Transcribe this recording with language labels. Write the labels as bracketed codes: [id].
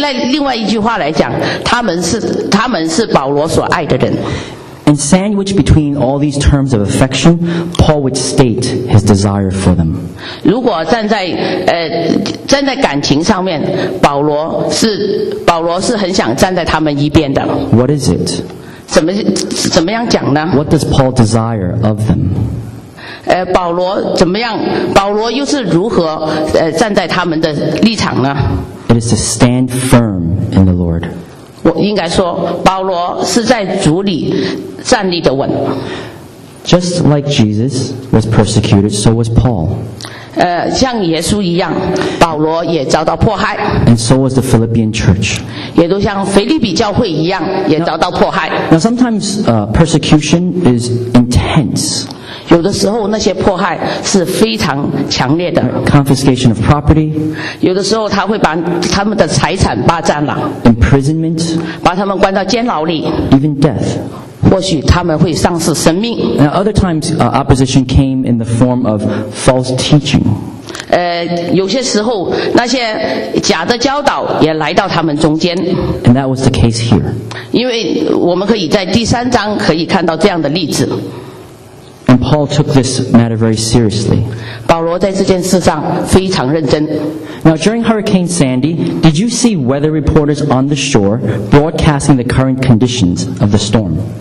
[zh] 另外一句话来讲，他们是保罗所爱的人。 [en] And sandwiched between all these terms of affection, Paul would state his desire for them. [zh] 如果站在感情上面，保罗是很想站在他们一边的。 [en] What is it? [zh] 怎么样讲呢 [en] ？What does Paul desire of them? [zh] 保罗又是如何站在他们的立场呢 [en] ？It is to stand firm in the Lord. [zh] 我应该说，保罗是在主里站立的稳。 [en] Just like Jesus was persecuted, so was Paul. [zh] 像耶稣一样，保罗也遭到迫害。 [en] And so was the Philippian church. [zh] 也都像腓立比教会一样，也遭到迫害。 [en] Now sometimes persecution is intense. [zh] 有的时候那些迫害是非常强烈的。 [en] Confiscation of property. [zh] 有的时候他会把他们的财产霸占了。 [en] Imprisonment. [zh] 把他们关到监牢里。 [en] Even death. [zh] 或许他们会丧失生命。 [en] Now, other times, opposition came in the form of false teaching. [zh] 有些时候那些假的教导也来到他们中间。 [en] And that was the case here. [zh] 因为我们可以在第三章可以看到这样的例子。 [en] And Paul took this matter very seriously. [zh] 保罗在这件事上非常认真。 [en] Now during Hurricane Sandy, did you see weather reporters on the shore broadcasting the current conditions of the storm?